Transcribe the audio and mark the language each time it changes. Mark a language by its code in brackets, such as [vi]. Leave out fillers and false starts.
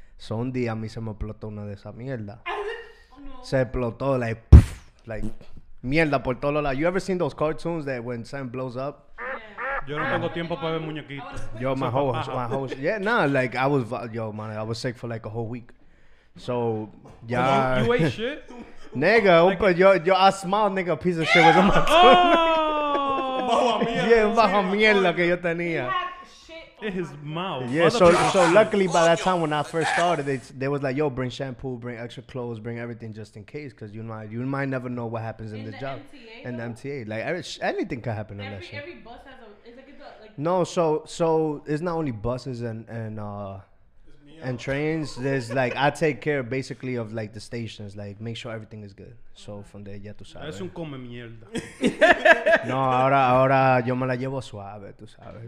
[es] So un día a mí se me explotó una de esa mierda. Se explotó [en] like poof, like [es] mierda por todos lados. [en] You ever seen those cartoons that when something blows up? [es] Yo no tengo tiempo para ver muñequitos. [en] Yo, my host. Yeah, nah, like I was sick for like a whole week. So yeah. You ate shit. Nigga, like, yo, I smiled, nigga, piece of shit was on my tongue. Oh! [es] Bajo mierda. Yeah, bajo mierda que yo tenía. [en] In his mouth. Yeah, so luckily by that time when I first started, they was like, yo, bring shampoo, bring extra clothes, bring everything just in case, because you might never know what happens in the job. MTA, in the MTA. Like, anything can happen in that shit. Every bus has a, it's like, no, so it's not only buses and and trains, there's like, I take care basically of like the stations, like make sure everything is good. So from there, [es] ya tú sabes. Es un come mierda. No, ahora, ahora yo me la llevo suave, tú sabes.